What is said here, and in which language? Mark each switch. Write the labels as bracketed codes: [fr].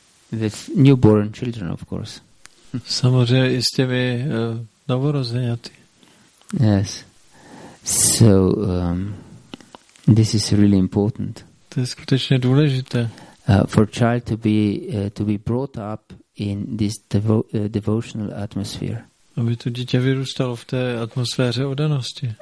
[en] with newborn children, of course. [cs] Samozřejmě i s těmi novorozeněty. [en] Yes. So this is really important. [cs] To je skutečně důležité. [en] For child to be brought up in this devotional atmosphere. [cs] Aby to dítě vyrůstalo v té atmosféře oddanosti.